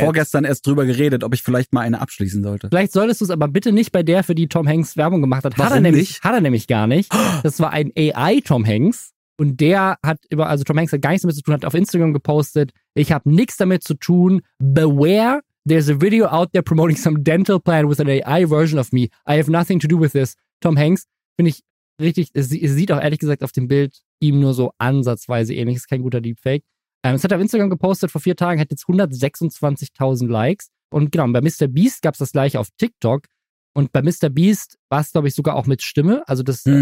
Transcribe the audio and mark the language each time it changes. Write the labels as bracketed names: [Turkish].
[German] Vorgestern erst drüber geredet, ob ich vielleicht mal eine abschließen sollte. Vielleicht solltest du es aber bitte nicht bei der, für die Tom Hanks Werbung gemacht hat. Hat er nämlich gar nicht. Das war ein AI Tom Hanks und der hat Tom Hanks hat gar nichts damit zu tun, hat auf Instagram gepostet, ich habe nichts damit zu tun, beware [English] There's a video out there promoting some dental plan with an AI version of me. I have nothing to do with this. [German] Tom Hanks, finde ich richtig, es sieht auch ehrlich gesagt auf dem Bild ihm nur so ansatzweise ähnlich. Ist kein guter Deepfake. Es hat er auf Instagram gepostet vor 4 Tagen, hat jetzt 126.000 Likes. Und genau, bei Mr. Beast gab es das gleiche auf TikTok. Und bei Mr. Beast war es, glaube ich, sogar auch mit Stimme. Also das mhm.